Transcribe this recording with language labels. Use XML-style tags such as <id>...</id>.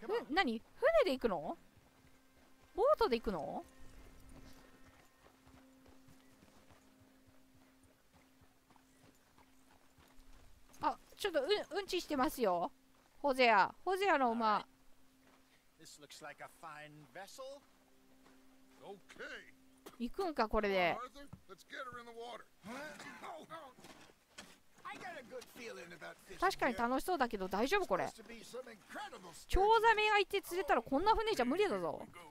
<ja>何？船で行くの？ボートで行くの？あ、ちょっとうんちしてますよ。ホゼア、ホゼアの馬。</ja> <en>This looks like a fine vessel. Okay.</en> <ja>行くんかこれで。</ja> <en>Arthur, let's get her in the water. I got a good feeling about this.</en> <ja>確かに楽しそうだけど大丈夫これ。チョウザメが行って釣れたらこんな船じゃ無理だぞ。</ja>